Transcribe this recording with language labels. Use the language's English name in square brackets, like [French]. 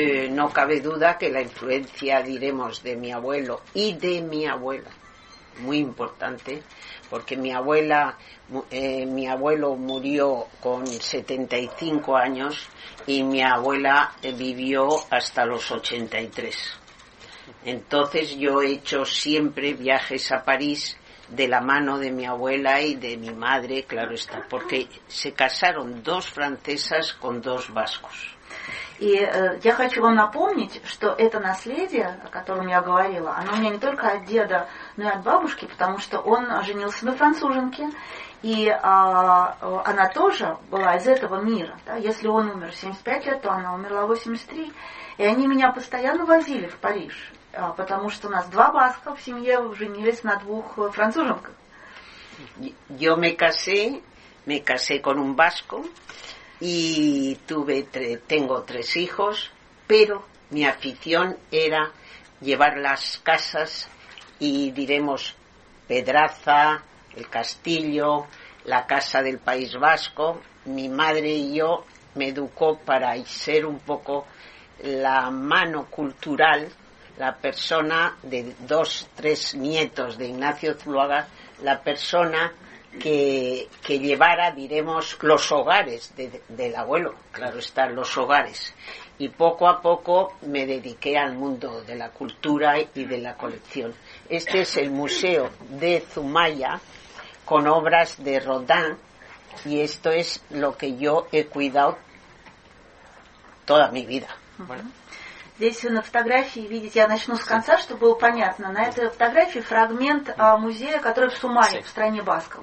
[Spanish] No cabe duda que la influencia, diremos, de mi abuelo y de mi abuela, muy importante, porque mi abuelo murió con 75 años y mi abuela vivió hasta los 83. Entonces yo he hecho siempre viajes a París de la mano de mi abuela y de mi madre, claro está, porque se casaron dos francesas con dos vascos. [Russian] И я хочу вам напомнить, что это наследие, о котором я говорила, оно у меня не только от деда, но и от бабушки, потому что он женился на француженке, и она тоже была из этого мира. Да? Если он умер в 75 лет, то она умерла в 83. И они меня постоянно возили в Париж, потому что у нас два баска в семье, женились на двух француженках. [Spanish] Yo me casé con un vasco y tengo tres hijos, pero mi afición era llevar las casas y diremos Pedraza, el castillo, la casa del País Vasco. Mi madre y yo me educó para ser un poco la mano cultural, la persona de dos, tres nietos de Ignacio Zuloaga, la persona que llevara, diremos, los hogares del abuelo, claro está, los hogares. Y poco a poco me dediqué al mundo de la cultura y de la colección. Este es el Museo de Zumaya, con obras de Rodin, y esto es lo que yo he cuidado toda mi vida. [Russian] Здесь вы на фотографии видите, я начну с конца, чтобы было понятно. На этой фотографии фрагмент музея, который в Сумае, в стране Басков.